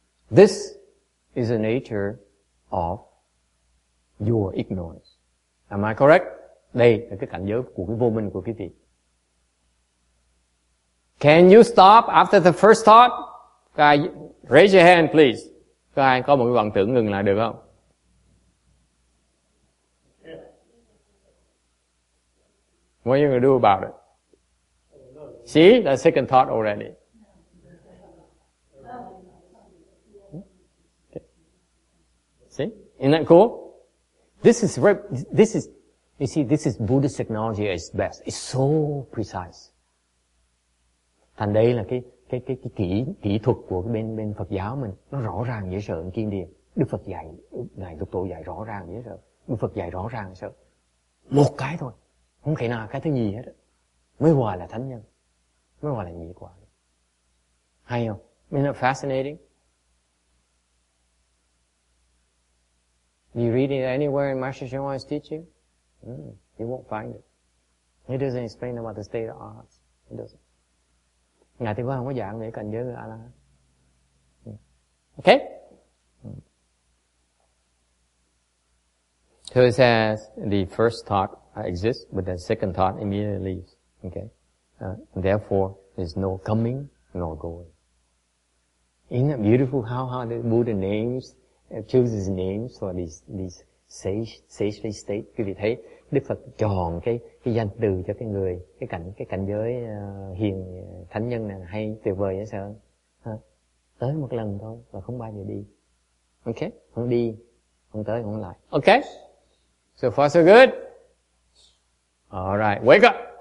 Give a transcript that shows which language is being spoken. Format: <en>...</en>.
<en>This is the nature of your ignorance. Am I correct?</en> <vi>Đây là cái cảnh giới của cái vô minh của quý vị.</vi> <en>Can you stop after the first thought? Guys, raise your hand, please.</en> <vi>Có ai có một cái vọng tưởng ngừng lại được không?</vi> <en>What are you going to do about it? See, the second thought already. Okay. See, isn't that cool? This is Buddhist technology at its best. It's so precise.</en> <vi>Thành đây là cái kỹ thuật của bên Phật giáo mình, nó rõ ràng dễ sợ hơn kiên điển. Đức Phật dạy, ngài Lục Tổ dạy rõ ràng dễ sợ. Đức Phật dạy rõ ràng dễ sợ. Một cái thôi. Không thể nào cái thứ gì hết. Mới hoài là thánh nhân. Mới hoài là nhị quả. Hay không?</vi> <en>Isn't that fascinating? You read it anywhere in Master Shenhua's teaching? You won't find it. He doesn't explain about the state of arts. He doesn't.</en> <vi>Ngài thì không có dạng để cảnh giới người A-la-hán.</vi> <en>Okay? So it says the first thought exists, but the second thought immediately leaves. Okay? Therefore, there's no coming nor going. Isn't that beautiful how the Buddha chooses names for these sagely state?</en> <vi>Quý vị thấy, Đức Phật chọn cái danh từ cho cái người, cái cảnh giới hiền thánh nhân này hay tuyệt vời vậy sao? Tới một lần thôi và không bao giờ đi. Okay? Không đi, không tới, không lại.</vi> <en>Okay? So far so good. All right, wake up.</en>